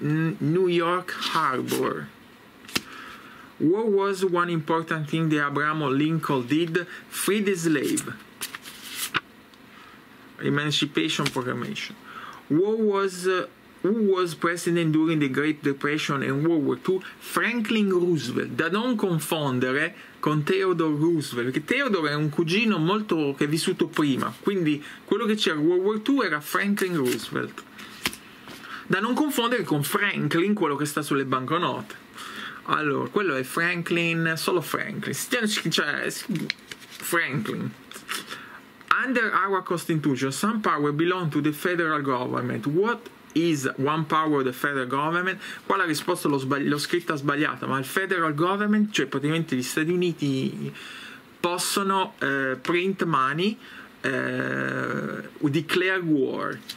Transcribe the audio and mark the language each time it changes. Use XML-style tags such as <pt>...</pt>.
<en>New York Harbor. What was one important thing that Abraham Lincoln did? Free the slave. Emancipation Proclamation. Who was president during the Great Depression and World War II? Franklin Roosevelt.</en> <it>Da non confondere con Theodore Roosevelt, perché Theodore è un cugino molto che è vissuto prima. Quindi quello che c'era in World War II era Franklin Roosevelt. Da non confondere con Franklin, quello che sta sulle banconote. Allora, quello è Franklin, solo Franklin. Franklin.</it> <en>Under our Constitution, some power belong to the federal government. What is one power of the federal government?</en> <it>Qua la risposta l'ho scritta sbagliata, ma il federal government, cioè praticamente gli Stati Uniti, possono</it> <en>print money, declare war.</en>